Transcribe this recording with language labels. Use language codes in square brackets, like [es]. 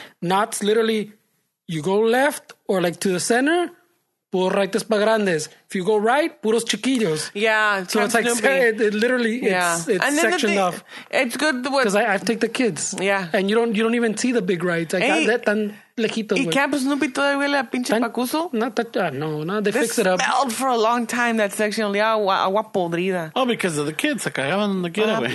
[en] Knott's literally, you go left or like to the center, [es] puro rectos pa grandes. [en] If you go right, [es] puros chiquillos. [en] Yeah. So it's like, it's sectioned off. It's good. Because I take the kids. Yeah. And you don't even see the big rides. Like, that [es] tan lejitos. ¿Y Camp Snoopy todavía huele a pinche pacuso? [en] No, they fix it up. It smelled for a long time, that section. [es] Olía agua podrida. [en] Oh, because of the kids. [es] Se cagaban [en] the kid away.